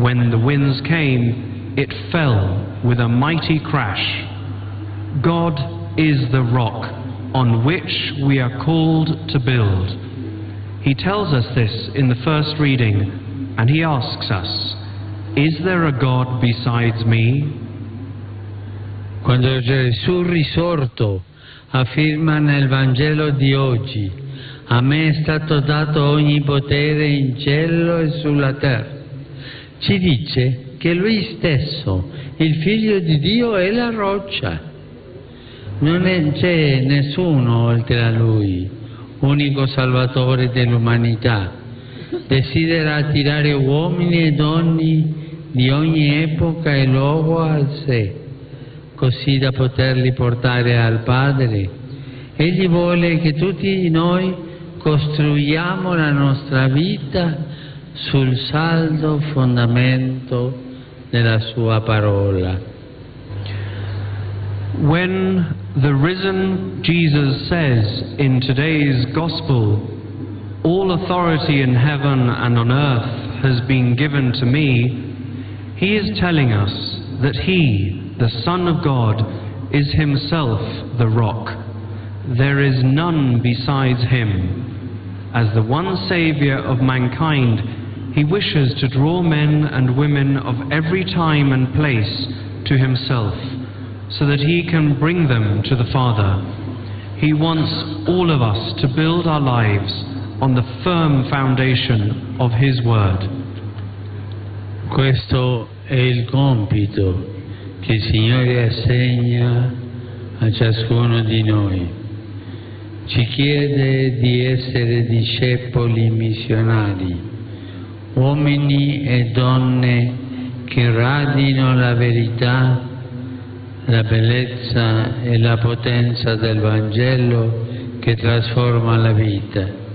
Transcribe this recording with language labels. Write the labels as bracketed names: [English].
[English] When the winds came, it fell with a mighty crash. God is the rock on which we are called to build. He tells us this in the first reading, and he asks us, is there a God besides me? [Italian] Quando Gesù risorto affirma nel Vangelo di oggi, a me è stato dato ogni potere in cielo e sulla terra, ci dice che lui stesso, il Figlio di Dio, è la roccia. Non c'è nessuno oltre a lui, unico salvatore dell'umanità. Desidera attirare uomini e donne di ogni epoca e luogo a sé, così da poterli portare al Padre. Egli vuole che tutti noi costruiamo la nostra vita sul saldo fondamento della sua parola. [English] When the risen Jesus says in today's gospel, all authority in heaven and on earth has been given to me, he is telling us that he, the Son of God, is himself the rock. There is none besides him. As the one savior of mankind, he wishes to draw men and women of every time and place to himself, so that he can bring them to the Father. He wants all of us to build our lives on the firm foundation of his word. [Italian] Questo è il compito che il Signore assegna a ciascuno di noi. Ci chiede di essere discepoli missionari, uomini e donne che radino la verità, la bellezza e la potenza del Vangelo che trasforma la vita.